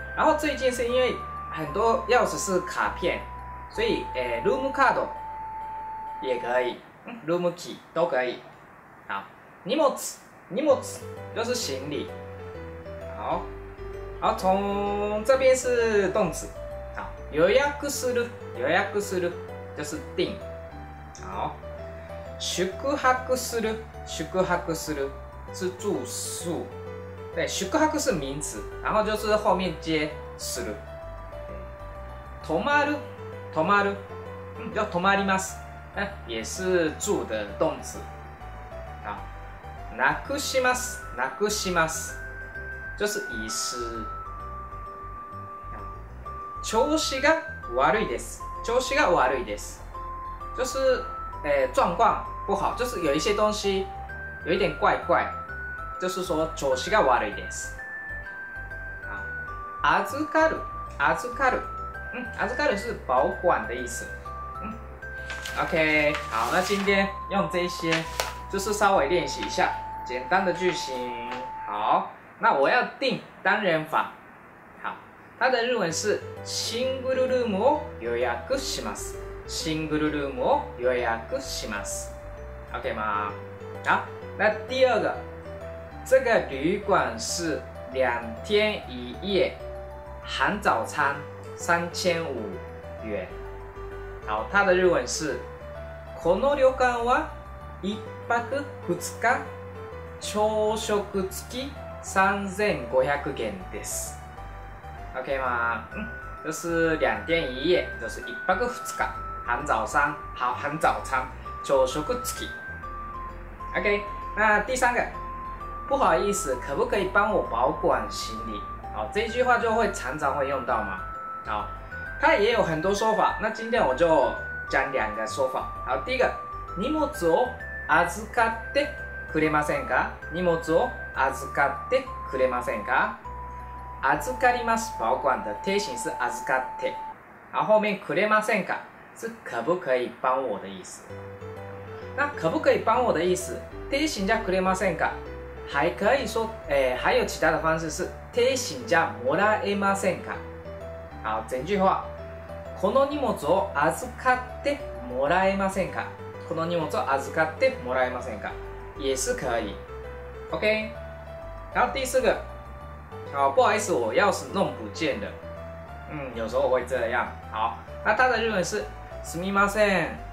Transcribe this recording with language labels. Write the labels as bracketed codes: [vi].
[zh] 然后最近是因为很多钥匙是卡片，所以Room card 也可以 ，Room key 都可以。好，荷物就是行李。好，然后从这边是动词，好，予約する就是订。好。宿泊する是住宿，对，宿泊是名词，然后就是后面接する。泊まる，要泊まります，也是住的动词。好，なくします，就是遗失。 [ja] 調子が悪いです，就是状况。 [zh] 不好，就是有一些东西有一点怪怪，就是说 [ja] 調子が悪いです。 [zh] 預かる，預かる是保管的意思。 OK， 好，那今天用这些就是稍微练习一下简单的句型。好，那我要订单人房。好，它的日文是 [ja] シングルルームを予約します。シングルルームを予約します。 [zh] OK 吗？好，那第二个，这个旅馆是两天一夜，含早餐3500元。好，它的日文是 [ja] この旅館は一泊二日、朝食付き3500元です。 [zh] OK 吗？就是两天一夜，就是一泊二日，含早餐，好，含早餐，朝食付き。 OK， 那第三个，不好意思，可不可以帮我保管行李？好，这句话就会常常会用到嘛。好，它也有很多说法，那今天我就讲两个说法。好，第一个， [ja] 荷物を預かってくれませんか？荷物を預かってくれませんか？預かります。 [zh] 保管的貼形是預かって。然后后面 [ja] くれませんか？ [zh] 是可不可以帮我的意思。那可不可以帮我的意思？ [ja] 貼形じゃくれませんか？ [zh] 还可以说，还有其他的方式是 [ja] 貼形じゃもらえませんか？ [zh] 好，整句话。 [ja] この荷物を預かってもらえませんか？この荷物を預かってもらえませんか？ [zh] 也是可以。OK。 然后第四个。好，不好意思，我钥匙弄不见了。有时候会这样。好，那他的日文是 [ja] すみません。